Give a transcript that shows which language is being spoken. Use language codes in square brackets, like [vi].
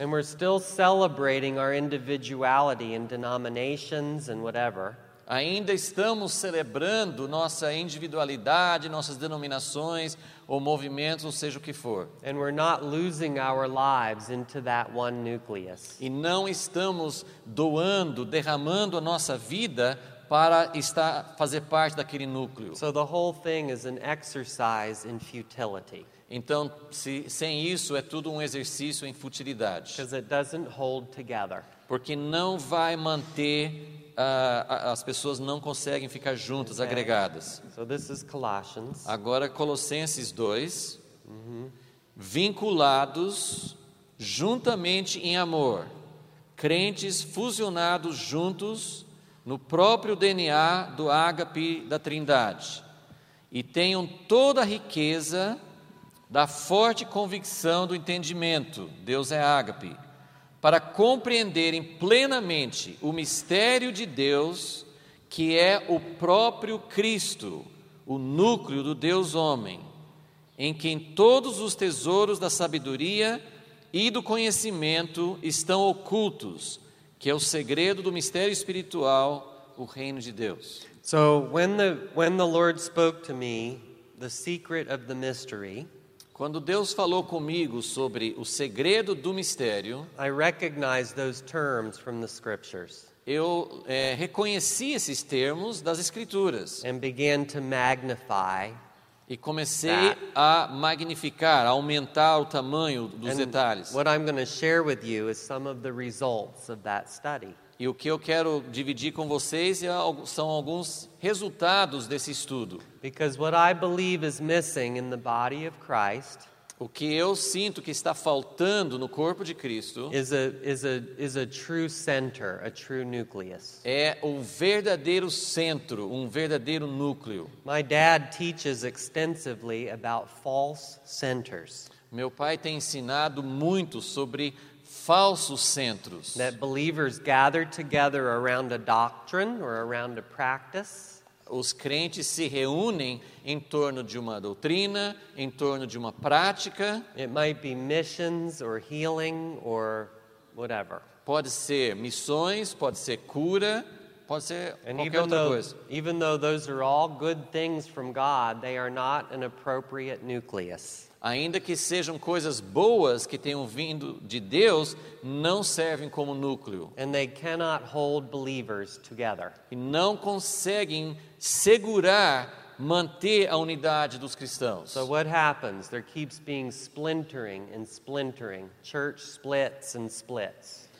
[en] And we're still celebrating our individuality in denominations and whatever. [pt] Ainda estamos celebrando nossa individualidade, nossas denominações, ou movimentos, ou seja o que for. [en] And we're not losing our lives into that one nucleus. [pt] E não estamos doando, derramando a nossa vida para fazer parte daquele núcleo. [en] So the whole thing is an exercise in futility. [pt] Então, sem isso, é tudo um exercício em futilidade. [en] Because it doesn't hold together. [pt] Porque não vai manter. As pessoas não conseguem ficar juntas, okay. Agregadas. [en] So this is Colossians. [pt] Agora Colossenses 2. Vinculados juntamente em amor, crentes fusionados juntos no próprio DNA do ágape da Trindade, e tenham toda a riqueza da forte convicção do entendimento, Deus é ágape, para compreenderem plenamente o mistério de Deus, que é o próprio Cristo, o núcleo do Deus-Homem, em quem todos os tesouros da sabedoria e do conhecimento estão ocultos, que é o segredo do mistério espiritual, o reino de Deus. [en] So, when the Lord spoke to me, the secret of the mystery, [pt] quando Deus falou comigo sobre o segredo do mistério, [en] I recognize those terms from the scriptures. [pt] Eu reconheci esses termos das escrituras. [en] And began to magnify [pt] E comecei a magnificar, a aumentar o tamanho dos detalhes. [en] What I'm going to share with you is some of the results of that study. [pt] E o que eu quero dividir com vocês são alguns resultados desse estudo. [en] Because what I believe is missing in the body of Christ, [pt] o que eu sinto que está faltando no corpo de Cristo, [en] is a true center, a true nucleus. [pt] É o verdadeiro centro, um verdadeiro núcleo. [en] My dad teaches extensively about false centers. [pt] Meu pai tem ensinado muito sobre falsos centros. [en] That believers gather together around a doctrine or around a practice. [pt] Os crentes se reúnem em torno de uma doutrina, em torno de uma prática. [en] It might be missions or healing or whatever. [pt] Pode ser missões, pode ser cura, pode ser qualquer outra coisa. [en] Even though those are all good things from God, they are not an appropriate nucleus. [pt] Ainda que sejam coisas boas que tenham vindo de Deus, não servem como núcleo. [en] And they cannot hold believers together. [pt] E não conseguem segurar, manter a unidade dos cristãos. [en] So what happens? There keeps being splintering and splintering. Church splits and splits.